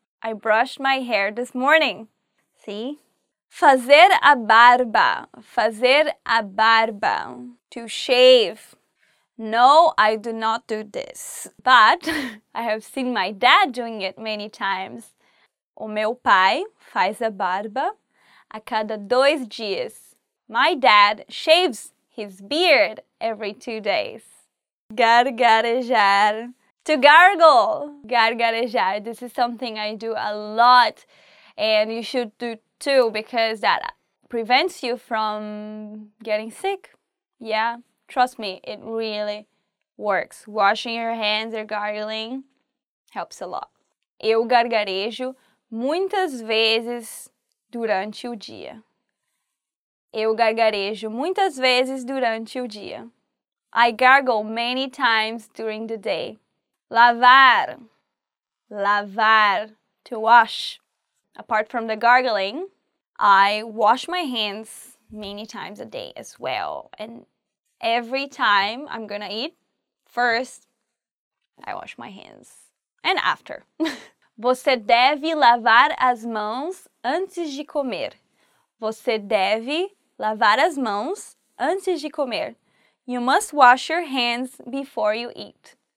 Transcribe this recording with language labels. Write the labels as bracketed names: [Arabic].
[English] I brushed my hair this morning. See? [Portuguese] Fazer a barba. Fazer a barba. [English] To shave. No, I do not do this. But I have seen my dad doing it many times. [Portuguese] O meu pai faz a barba a cada 2 dias. [English] My dad shaves his beard every 2 days. [Portuguese] Gargarejar. [English] To gargle. [Portuguese] Gargarejar. [English] This is something I do a lot and you should do too because that prevents you from getting sick. Yeah, trust me, it really works. Washing your hands or gargling helps a lot. [Portuguese] Eu gargarejo muitas vezes durante o dia. Eu gargarejo muitas vezes durante o dia. [English] I gargle many times during the day. [Portuguese] Lavar. [English] Lavar. To wash. Apart from the gargling, I wash my hands many times a day as well. And every time I'm gonna eat, first, I wash my hands. And after. [Portuguese] Você deve lavar as mãos antes de comer. Você deve lavar as mãos antes de comer. [English] You must wash your hands before you eat.